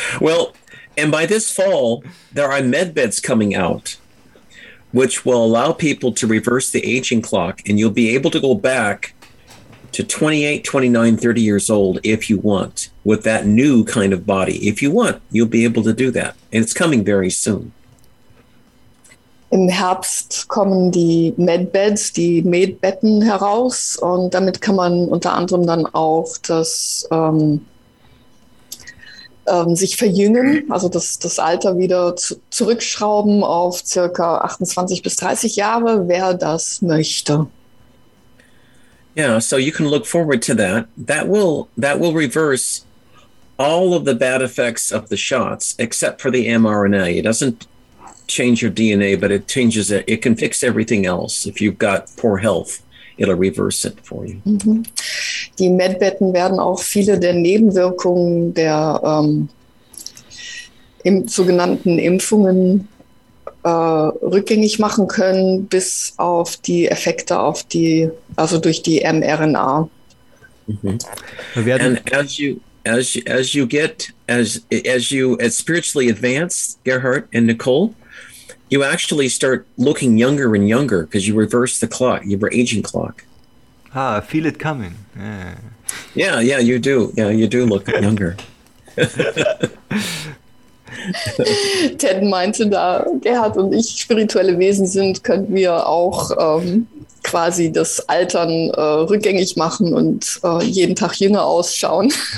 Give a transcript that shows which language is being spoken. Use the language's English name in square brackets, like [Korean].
[English] Well, and by this fall, there are med beds coming out, which will allow people to reverse the aging clock, and you'll be able to go back to 28, 29, 30 years old if you want, with that new kind of body. If you want, you'll be able to do that. And it's coming very soon. [German] Im Herbst kommen die Medbeds, die Medbetten heraus und damit kann man unter anderem dann auch das sich verjüngen, also das Alter wieder zurückschrauben auf circa 28 bis 30 Jahre, wer das möchte. [English] Yeah, so you can look forward to that. That will reverse all of the bad effects of the shots, except for the mRNA. It doesn't change your DNA, but it changes it. It can fix everything else. If you've got poor health, it'll reverse it for you. Mm-hmm. [German] Die Medbetten werden auch viele der Nebenwirkungen der sogenannten Impfungen rückgängig machen können, bis auf die Effekte auf die, also durch die mRNA. Mm-hmm. [English] And as you get spiritually advanced, Gerhard and Nicole, you actually start looking younger and younger because you reverse the clock, your aging clock. Ah, I feel it coming. Yeah. Yeah, you do. Yeah, you do look younger. [German] Ted meinte da, Gerhard und ich spirituelle Wesen sind, könnten wir auch quasi das Altern rückgängig machen und jeden Tag jünger ausschauen.